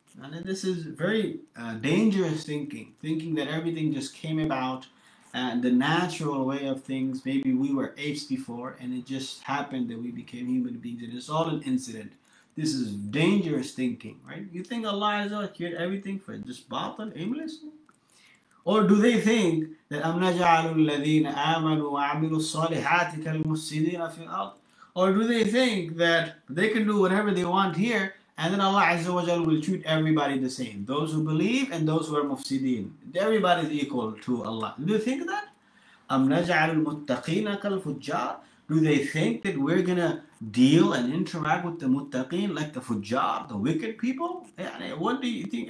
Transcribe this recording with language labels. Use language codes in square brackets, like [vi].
[en] And this is very dangerous thinking that everything just came about and the natural way of things. Maybe we were apes before and it just happened that we became human beings and it's all an incident. This is dangerous thinking, right? You think Allah has cured everything for just batil, aimlessly? Or do they think that [ar] أَمْ نَجَعَلُ الَّذِينَ آمَنُوا وَعَمِلُوا الصَّالِحَاتِ كَالْمُفْسِدِينَ فِي الْأَرْضِ. [en] Or do they think that they can do whatever they want here and then Allah Azza wa Jal will treat everybody the same? Those who believe and those who are mufsideen. Everybody is equal to Allah. Do you think that? [ar] أَمْ نَجَعَلُ الْمُتَّقِينَ كَالْفُجَّارِ. [en] Do they think that we're going to deal and interact with the muttaqeen like the fujjar, the wicked people? What do you think?